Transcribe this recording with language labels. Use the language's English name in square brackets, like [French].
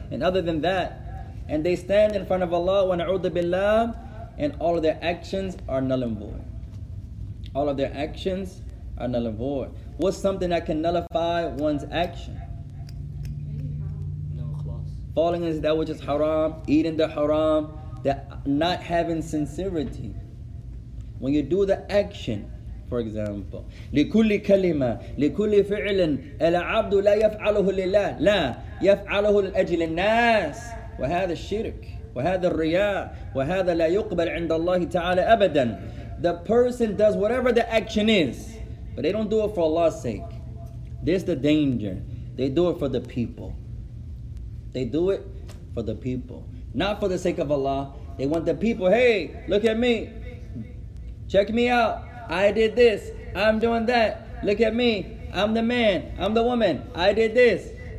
[English] And other than that, and they stand in front of Allah, [Arabic] وَنَعُوذُ بِاللَّهِ, [English] and all of their actions are null and void. All of their actions are null and void. What's something that can nullify one's action? No ikhlas. Falling into that which is haram, eating the haram, that not having sincerity. When you do the action, for example, [Arabic] لِكُلِّ كَلِمَةٍ لِكُلِّ فِعْلٍ الْعَبْدُ لَا يَفْعَلُهُ لِلَّهِ لَا يَفْعَلُهُ لِأَجْلِ النَّاسِ وَهَذَا الشِّرْكُ وَهَذَا الرِّيَاءُ وَهَذَا لَا يُقْبَلْ عِنْدَ اللَّهِ تَعَالَى أَبَدًا. [English] The person does whatever the action is, but they don't do it for Allah's sake. This is the danger. They do it for the people. They do it for the people. Not for the sake of Allah. They want the people, hey, look at me. Check me out. I did this. I'm doing that. Look at me. I'm the man. I'm the woman. I did this.